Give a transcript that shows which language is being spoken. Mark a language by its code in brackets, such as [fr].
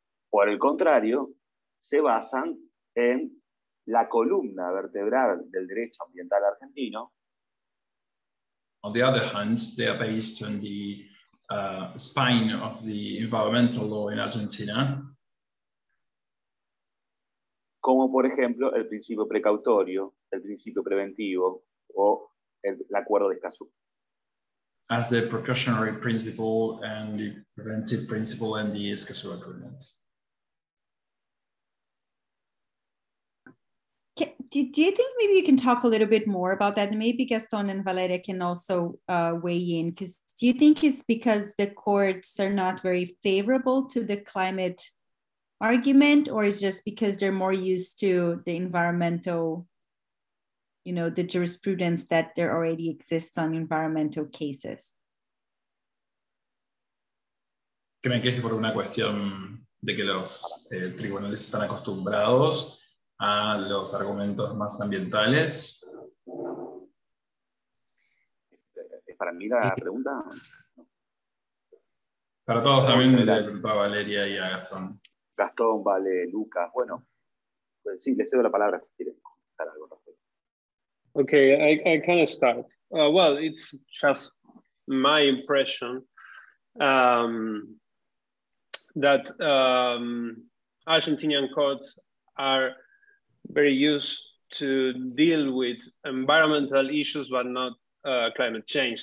[es] Por el contrario, se basan en la columna vertebral del derecho ambiental argentino. [en] On the other hand, they are based on the spine of the environmental law in Argentina. [es] Como por ejemplo el principio precautorio, el principio preventivo o el acuerdo de Escazú. [en] As the precautionary principle and the preventive principle and the Escazú agreement. Do you think maybe you can talk a little bit more about that? Maybe Gaston and Valeria can also weigh in, because do you think it's because the courts are not very favorable to the climate argument, or is just because they're more used to the environmental, you know, the jurisprudence that there already exists on environmental cases? [es] ¿Creen que es por una cuestión de que los tribunales están acostumbrados a los argumentos más ambientales? ¿Es para mí la pregunta? Para todos también, me la pregunta a Valeria y a Gastón. Gastón, Vale, Lucas, bueno, pues sí, le cedo la palabra si quieren comentar algo. [en] Okay, I can start. Well, it's just my impression that Argentinian courts are very used to deal with environmental issues, but not climate change.